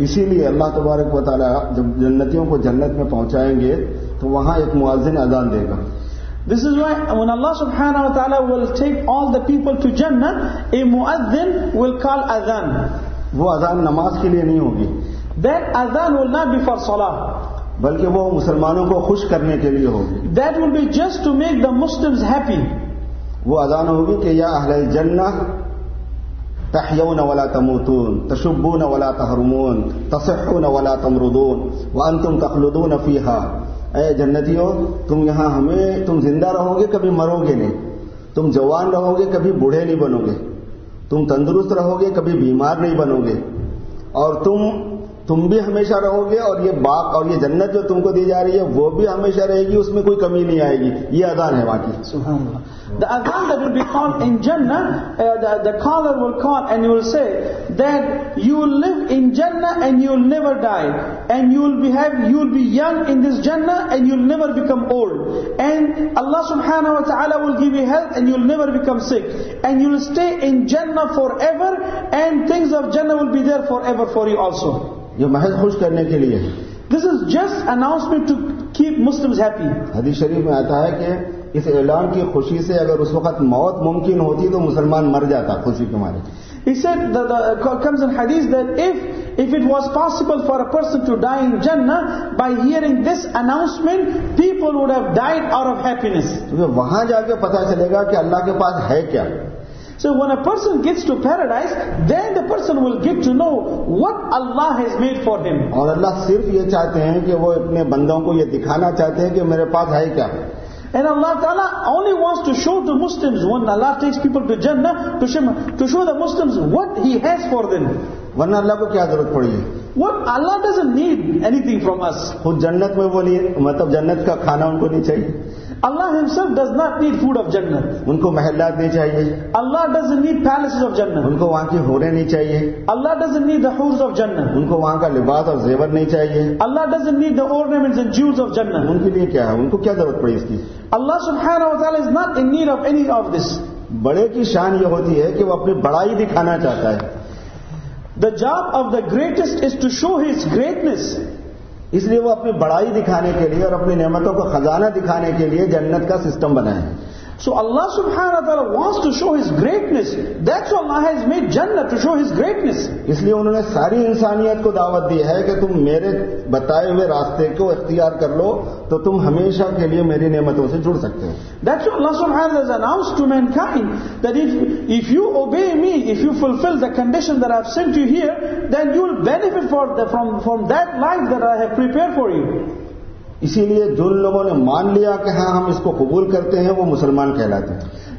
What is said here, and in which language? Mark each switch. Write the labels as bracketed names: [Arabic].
[Urdu] اسی لیے اللہ تبارک و تعالیٰ جب جنتیوں کو جنت میں پہنچائیں گے تو وہاں ایک مؤذن اذان دے گا. [English] This is why when Allah subhanahu wa ta'ala will take all the people to Jannah, a muadhin will call adhan. [Urdu] Wo adhan namaz ke liye nahi hogi. [English] That adhan will not be for salah. [Urdu] Balki wo musalmanon ko khush karne ke liye hogi. [English] That will be just to make the Muslims happy. [Urdu] Wo adhan hogi ke [Arabic] ya ahlal jannah تحيون ولا تموتون تشبون ولا تهرمون تصحون ولا تمرضون وانتم تخلدون فيها [Urdu] اے جنتیوں تم یہاں ہمیں تم زندہ رہو گے کبھی مرو گے نہیں تم جوان رہو گے کبھی بوڑھے نہیں بنو گے تم تندرست رہو گے کبھی بیمار نہیں بنو گے اور تم بھی ہمیشہ رہو گے اور یہ باغ اور یہ جنت جو تم کو دی جا رہی ہے وہ بھی ہمیشہ رہے گی اس میں کوئی کمی نہیں آئے گی یہ اذان ہے واقعی [English] سبحان اللہ The adhan that will be called in Jannah, the caller will call and he will say that you will live in Jannah and you will never die. And you will be young in this Jannah and you will never become old. And Allah subhanahu wa ta'ala will give you health and you will never become sick. And you will stay in Jannah forever and things of Jannah will be there forever for you also. [Urdu] یہ محض خوش کرنے کے لئے [English] This is just announcement to keep Muslims happy. [Urdu] حدیث شریف میں آتا ہے کہ اس اعلان کی خوشی سے اگر اس وقت موت ممکن ہوتی تو مسلمان مر جاتا خوشی کے مارے [English] He said that comes in hadith that if it was possible for a person to die in Jannah by hearing this announcement people would have died out of happiness [Urdu] کیونکہ وہاں جا کے پتا چلے گا کہ اللہ کے پاس ہے کیا [English] So when a person gets to paradise, then the person will get to know what Allah has made for him. [Urdu] اور اللہ صرف یہ چاہتے ہیں کہ وہ اپنے بندوں کو یہ دکھانا چاہتے ہیں کہ میرے پاس ہے کیا [English] And Allah Ta'ala only wants to show to Muslims when Allah takes people to Jannah to show the Muslims what He has for them. [Urdu] ورنہ اللہ کو کیا ضرورت پڑی ہے [English] What Allah doesn't need anything from us. [Urdu] خود جنت میں وہ نہیں مطلب جنت کا کھانا ان کو نہیں چاہیے [English] Allah Himself does not need food of Jannah. [Urdu] ان کو محلات نہیں چاہیے [English] Allah doesn't need palaces of Jannah. [Urdu] ان کو وہاں کی حوریں نہیں چاہیے [English] Allah doesn't need the hoors of Jannah. [Urdu] ان کو وہاں کا لباس اور زیور نہیں چاہیے [English] Allah doesn't need the ornaments and jewels of Jannah. [Urdu] ان کے لیے کیا ہے ان کو کیا ضرورت پڑی اس کی [English] Allah Subhanahu wa Ta'ala is not in need of any of this. [Urdu] بڑے کی شان یہ ہوتی ہے کہ وہ اپنی بڑائی دکھانا چاہتا ہے [English] The job of the greatest is to show his greatness. [Urdu] اس لیے وہ اپنی بڑائی دکھانے کے لیے اور اپنی نعمتوں کا خزانہ دکھانے کے لیے جنت کا سسٹم بنا ہے [English] So Allah subhanahu wa ta'ala wants to show His greatness. That's why Allah has made Jannah to show His greatness. [Urdu] اس لیے انہوں نے ساری انسانیت کو دعوت دی ہے کہ تم میرے بتائے ہوئے راستے کو اختیار کر لو تو تم ہمیشہ کے لیے میری نعمتوں سے جڑ سکتے ہو. [English] That's why Allah subhanahu wa ta'ala has announced to mankind that if you obey me, if you fulfill the condition that I have sent you here, then you will benefit from that life that I have prepared for you. [Urdu] اسی لیے جن لوگوں نے مان لیا کہ ہاں ہم اس کو قبول کرتے ہیں وہ مسلمان کہلاتے ہیں